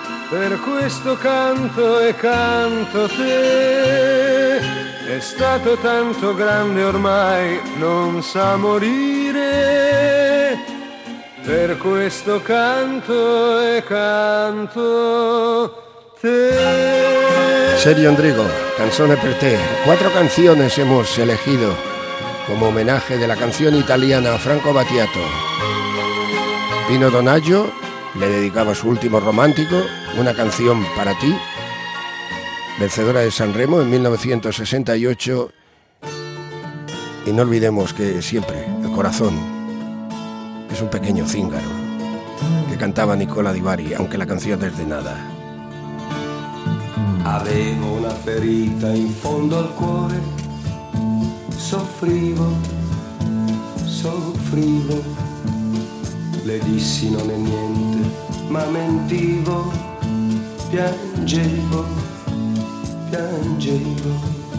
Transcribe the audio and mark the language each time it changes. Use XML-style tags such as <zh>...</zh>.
<it>Per questo canto e canto te, è stato tanto grande ormai, non sa morire. Per questo canto e canto te. te. Sergio Endrigo, Canzone per te.</it> <es>Cuatro canciones hemos elegido como homenaje de la canción italiana a Franco Battiato. Pino Donaggio le dedicaba su último romántico, Una canción para ti, vencedora de San Remo en 1968. Y no olvidemos que siempre el corazón es un pequeño cíngaro que cantaba Nicola Di Bari, aunque la canción es de nada.</es> <it>Avevo una ferita in fondo al cuore, soffrivo, soffrivo. Le dissi non è niente, ma mentivo, piangevo, piangevo.</it>